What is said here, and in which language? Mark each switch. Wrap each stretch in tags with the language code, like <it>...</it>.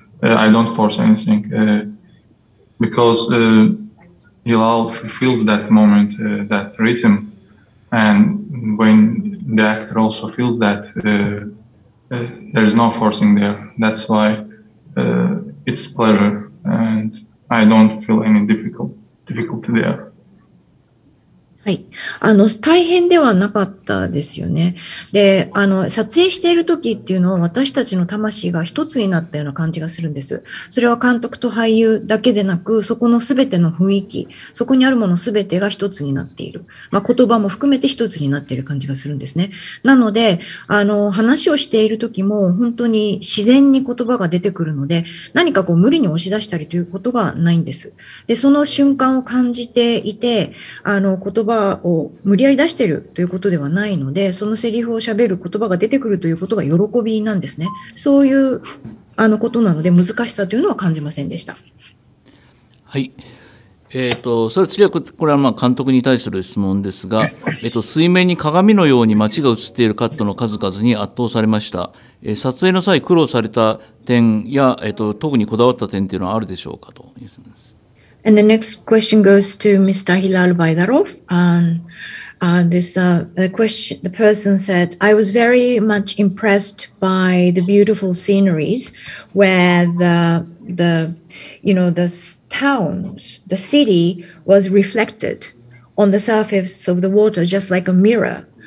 <en>I don't force anything because Hilal feels that moment, that rhythm. And when the actor also feels that there is no forcing there, that's why it's pleasure, and I don't feel any difficulty there.</en> <ja>はい、大変ではなかったですよね。で、撮影している時っていうのは私たちの魂が一つになったような感じがするんです。それは監督と俳優だけでなく、そこのすべての雰囲気、そこにあるものすべてが一つになっている。まあ、言葉も含めて一つになっている感じがするんですね。なので、話をしている時も本当に自然に言葉が出てくるので、何かこう無理に押し出したりということがないんです。で、その瞬間を感じていて、言葉を無理やり出しているということではないので、そのセリフを喋る言葉が出てくるということが喜びなんですね。そういうことなので難しさというのは感じませんでした。はい。それは次はこれはまあ監督に対する質問ですが、水面に鏡のように街が映っているカットの数々に圧倒されました。撮影の際苦労された点や、特にこだわった点というのはあるでしょうかという質問です。</ja> <en>And the next question goes to Mr. Hilal Baydarov. The person said, I was very much impressed by the beautiful sceneries where the town, the city was reflected on the surface of the water, just like a mirror.</en>